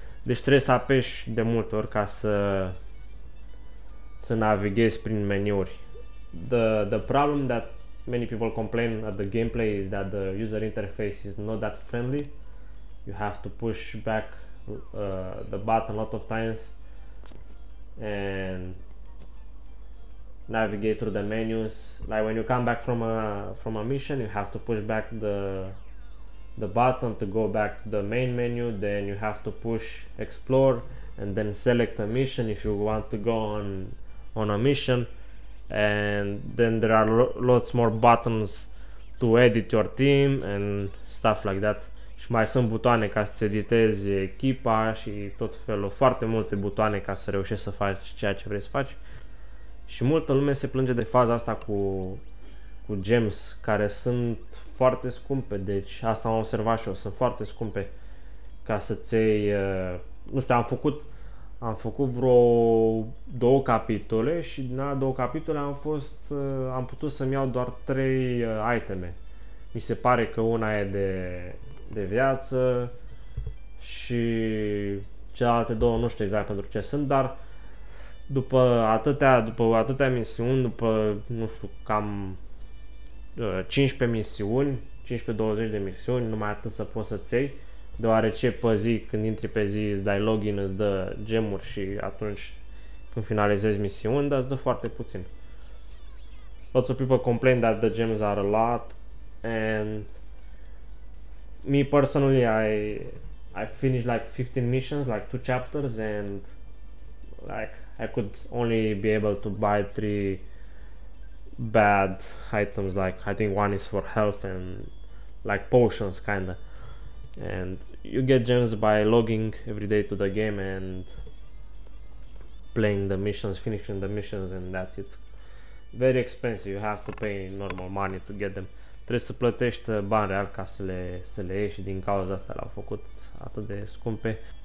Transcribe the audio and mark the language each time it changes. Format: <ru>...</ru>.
<ro>Deci trebuie să apeși de multe ori ca să navighezi prin meniuri.</ro> <en>The problem that many people complain at the gameplay is that the user interface is not that friendly. You have to push back the button a lot of times and navigate through the menus. Like, when you come back from a mission, you have to push back the button to go back to the main menu, then you have to push explore and then select a mission if you want to go on a mission, and then there are lots more buttons to edit your team and stuff like that.</en> <ro>Și mai sunt butoane ca să-ți editezi echipa și tot felul, foarte multe butoane ca să reușești să faci ceea ce vrei să faci. Și multă lume se plânge de faza asta cu gems, care sunt foarte scumpe, deci asta am observat și eu, sunt foarte scumpe. ca să ții, nu știu, am făcut vreo două capitole și din alea două capitole am putut să-mi iau doar trei iteme. Mi se pare că una e de viață și celelalte două nu știu exact pentru ce sunt, dar după atâtea misiuni, după, nu știu, cam 15 misiuni, 15-20 de misiuni, numai atât să poți să ții, deoarece pe zi, când intri pe zi, îți dai login, îți dă gemuri și atunci când finalizezi misiuni, dar îți dă foarte puțin.</ro> <en>Lots of people complain that the gems are a lot, and me personally, I finished like 15 missions, like 2 chapters, and like I could only be able to buy 3 bad items, like I think one is for health and like potions kinda. And you get gems by logging every day to the game and playing the missions, finishing the missions, and that's it. Very expensive, you have to pay normal money to get them.</en> <ro>Trebuie să plătești bani real ca să le iei și din cauza asta l-au făcut atât de scumpe.</ro>